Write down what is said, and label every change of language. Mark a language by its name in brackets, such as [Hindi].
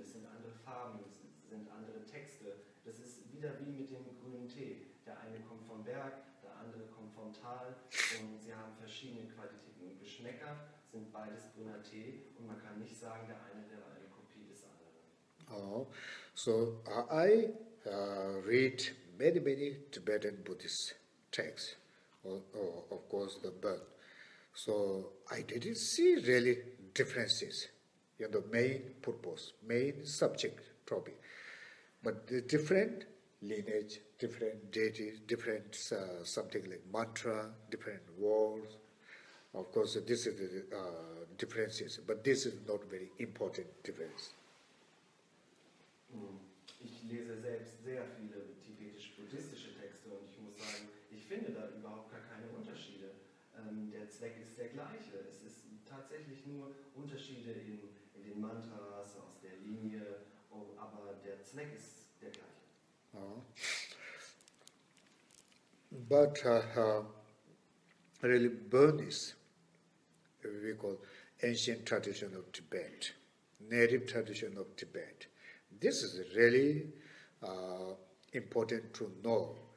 [German] Es sind andere Farben, es sind andere Texte. Das ist wieder wie mit dem grünen Tee. Der eine kommt vom Berg, der andere kommt vom Tal und sie haben verschiedene Qualitäten. Und Geschmäcker sind beides grüner Tee und man kann nicht sagen, der eine wäre eine Kopie des anderen. [English] Oh, so I read many Tibetan Buddhist texts, of course the Burn. So I didn't see really differences in the main purpose, main subject topic. But the different lineage, different deities, different something like mantra, different words, Of course, this is the differences, but this is not very important difference. [German] Ich lese selbst sehr viele tibetisch-buddhistische Texte und ich muss sagen, ich finde da überhaupt gar keine Unterschiede. Der Zweck ist der gleiche. Es ist tatsächlich nur Unterschiede in den Mantras, aus der Linie, aber der Zweck ist der gleiche. [English] But really Burmese, we call ancient tradition of Tibet, native tradition of Tibet. This is really important to know.